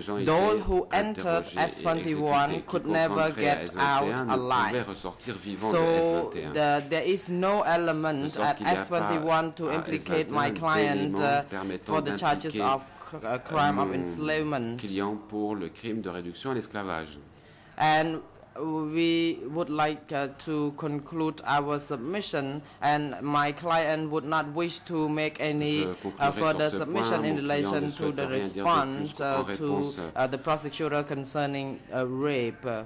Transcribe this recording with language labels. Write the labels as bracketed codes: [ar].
[en] Those who entered S21 could never get out alive. So there is no element at S21 to implicate my client for the charges of crime of enslavement. [fr] Client pour le crime de réduction à l'esclavage. [en] And we would like to conclude our submission, and my client would not wish to make any further submission in relation to the response to the prosecutor concerning rape.